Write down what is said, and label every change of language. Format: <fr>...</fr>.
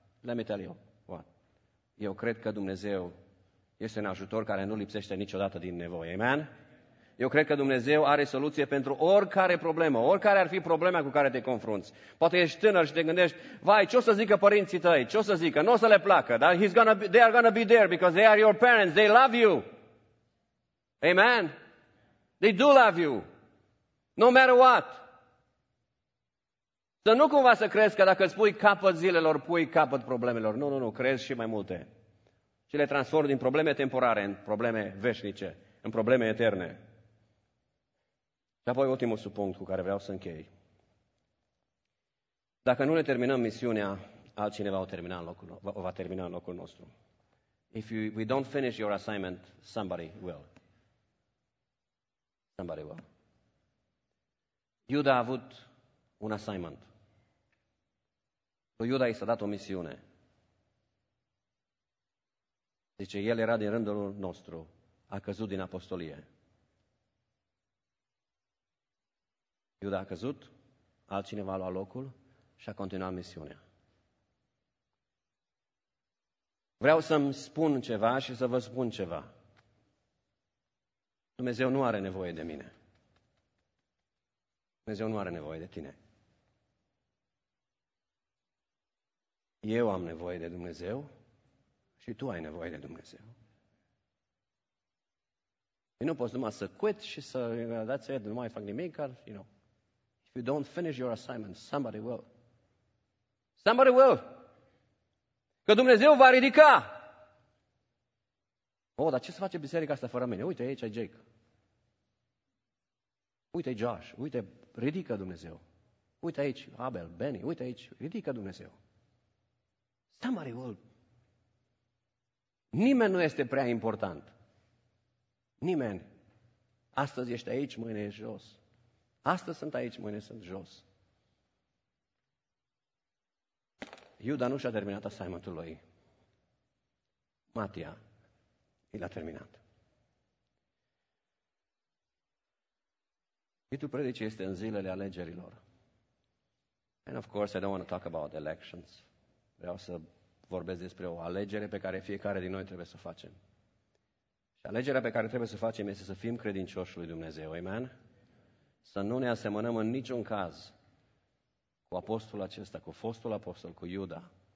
<en>Let me tell you what.</en> <ro>Eu cred că Dumnezeu este un ajutor care nu lipsește niciodată din nevoie. Amen? Eu cred că Dumnezeu are soluție pentru oricare problemă, oricare ar fi problema cu care te confrunți. Poate ești tânăr și te gândești, vai, ce o să zică părinții tăi, ce o să zică, nu o să le placă, dar</ro> <en>they are gonna be there because they are your parents, they love you.</en> <ro>Amen?</ro> <en>They do love you, no matter what.</en> <ro>Să nu cumva să crezi că dacă îți pui capăt zilelor, pui capăt problemelor. Nu, nu, nu, crezi și mai multe. Și le transform din probleme temporare în probleme veșnice, în probleme eterne. Și apoi ultimul subpunct cu care vreau să închei. Dacă nu ne terminăm misiunea, altcineva o va termina în locul nostru.</ro> <en>If we don't finish your assignment, somebody will. Somebody will.</en> <ro>Iuda a avut un assignment. Iuda i s-a dat o misiune. Zice, el era din rândul nostru, a căzut din apostolie. Iuda a căzut, altcineva a luat locul și a continuat misiunea. Vreau să-mi spun ceva și să vă spun ceva. Dumnezeu nu are nevoie de mine. Dumnezeu nu are nevoie de tine. Eu am nevoie de Dumnezeu și tu ai nevoie de Dumnezeu. Eu nu pot numai să quit și să dați aia, nu mai fac nimic,</ro> <en>or, you know. If you don't finish your assignment, somebody will. Somebody will.</en> <ro>Că Dumnezeu va ridica. Oh, dar ce să face biserica asta fără mine? Uite, aici e Jake. Uite, Josh. Uite, ridică Dumnezeu. Uite aici, Abel, Benny. Uite aici, ridică Dumnezeu.</ro> <en>Somebody will.</en> <ro>Nimeni nu este prea important. Nimeni. Astăzi ești aici, mâine ești jos. Astăzi sunt aici, mâine sunt jos. Iuda nu și-a terminat assignment-ul lui. Matia l-a terminat. Titlul predicii este în zilele alegerilor.</ro> <en>And of course, I don't want to talk about elections.</en> <ro>Vreau să vorbesc despre o alegere pe care fiecare din noi trebuie să o facem. Și alegerea pe care trebuie să o facem este să fim credincioși lui Dumnezeu. Amen? Să nu ne asemănăm în niciun caz cu apostolul acesta, cu fostul apostol, cu Iuda.</ro>